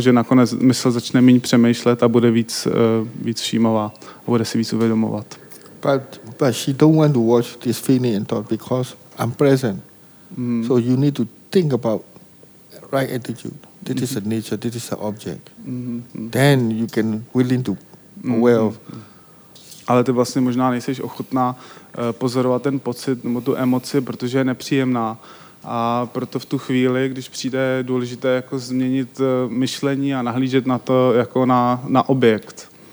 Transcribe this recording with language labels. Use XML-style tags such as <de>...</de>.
<cs>Že nakonec mysl začne méně přemýšlet a bude víc všímavá a bude si víc uvědomovat.</cs> <en>But she don't want to watch this feeling and thought because I'm present. Mm. So you need to think about right attitude. This is a nature, this is an object. Mm-hmm. Then you can willing to aware of</en> <cs>ale ty vlastně možná nejseš ochotná pozorovat ten pocit nebo tu emoci, protože je nepříjemná. A proto v tu chvíli, když přijde, je důležité jako změnit myšlení a nahlížet na to jako na objekt.</cs>